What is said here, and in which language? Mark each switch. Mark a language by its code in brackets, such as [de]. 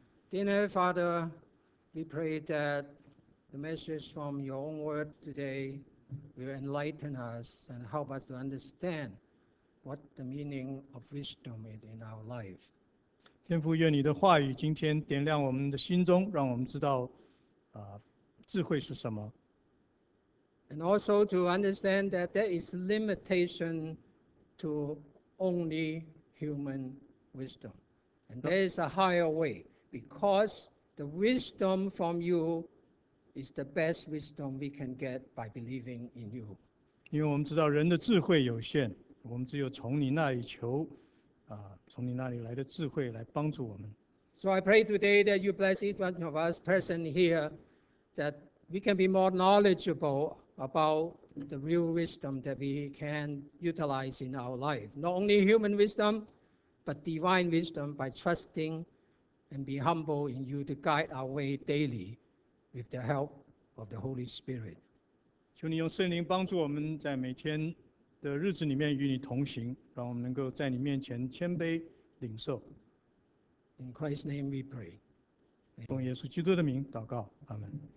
[en] Dear Father, we pray that the message from your own word today will enlighten us and help us to understand what the meaning of wisdom is in our life. [zh] 天父，愿你的话语今天点亮我们的心中，让我们知道，智慧是什么。 [en] And also to understand that there is limitation to only human wisdom. And there is a higher way, because the wisdom from you is the best wisdom we can get by believing in you. [zh] 因为我们知道人的智慧有限，我们只有从你那里求，从你那里来的智慧来帮助我们。 [en] So I pray today that you bless each one of us present here, that we can be more knowledgeable about the real wisdom that we can utilize in our life. Not only human wisdom, but divine wisdom by trusting and be humble in you to guide our way daily with the help of the Holy Spirit. [zh] 求你用圣灵帮助我们在每天的日子里面与你同行，让我们能够在你面前谦卑领受。 [en] In Christ's name we pray. [zh] 奉耶稣基督的名祷告，阿门。